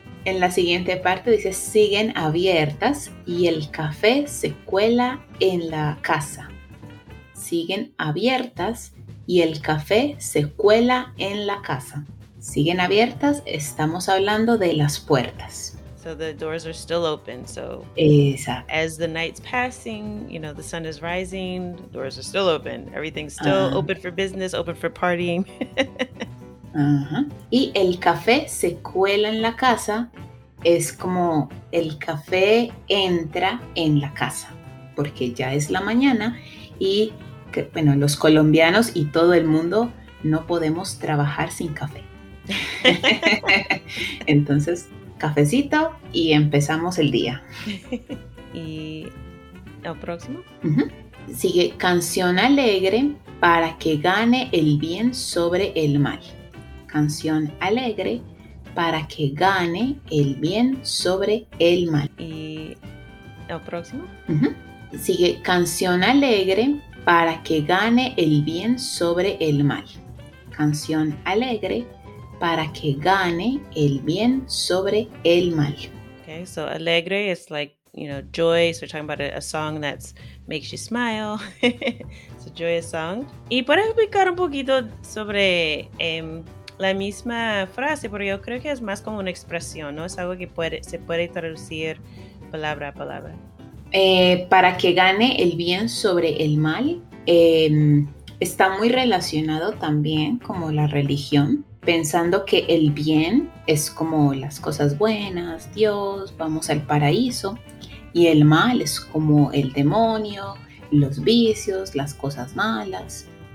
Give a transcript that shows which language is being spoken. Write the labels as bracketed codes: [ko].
[es] En la siguiente parte dice, siguen abiertas y el café se cuela en la casa. Siguen abiertas y el café se cuela en la casa. siguen abiertas, estamos hablando de las puertas. [en] So the doors are still open. So [es] exacto. [en] As the night's passing, you know, the sun is rising, the doors are still open. Everything's still open for business, open for partying. [es] Y el café se cuela en la casa. Es como el café entra en la casa, porque ya es la mañana y, que, bueno, los colombianos y todo el mundo no podemos trabajar sin café. Entonces, cafecito y empezamos el día. ¿Y el próximo? Sigue canción alegre para que gane el bien sobre el mal. Canción alegre para que gane el bien sobre el mal. ¿Y el próximo? Sigue canción alegre para que gane el bien sobre el mal. Canción alegre para que gane el bien sobre el mal. [en] Okay, so alegre is like, you know, joy. So we're talking about a song that makes you smile. It's a joyous song. [es] Y para explicar un poquito sobre la misma frase, porque yo creo que es más como una expresión, ¿no? Es algo que se puede traducir palabra a palabra. Para que gane el bien sobre el mal, está muy relacionado también como la religión, pensando que el bien es como las cosas buenas, Dios, vamos al paraíso, y el mal es como el demonio, los vicios, las cosas malas.